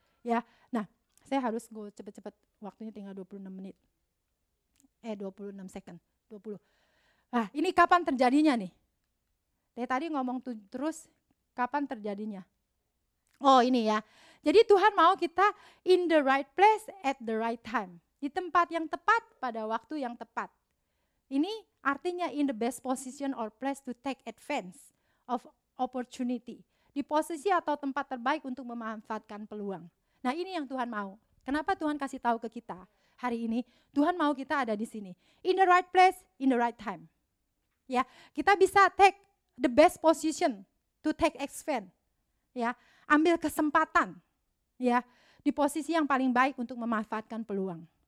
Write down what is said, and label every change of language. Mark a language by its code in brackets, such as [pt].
[id] Ya, nah, saya harus go cepat-cepat. Waktunya tinggal 26 menit. 26 second. 20. Nah, ini kapan terjadinya nih? Dari tadi ngomong terus, kapan terjadinya? Oh ini ya. Jadi Tuhan mau kita [en] in the right place at the right time. [id] Di tempat yang tepat pada waktu yang tepat. Ini artinya [en] in the best position or place to take advantage of opportunity. [id] Di posisi atau tempat terbaik untuk memanfaatkan peluang. Nah ini yang Tuhan mau. Kenapa Tuhan kasih tahu ke kita hari ini? Tuhan mau kita ada di sini. [en] In the right place, in the right time. [id] Ya, kita bisa [en] take the best position to take advantage. [id] Ya, ambil kesempatan ya di posisi yang paling baik untuk memanfaatkan peluang.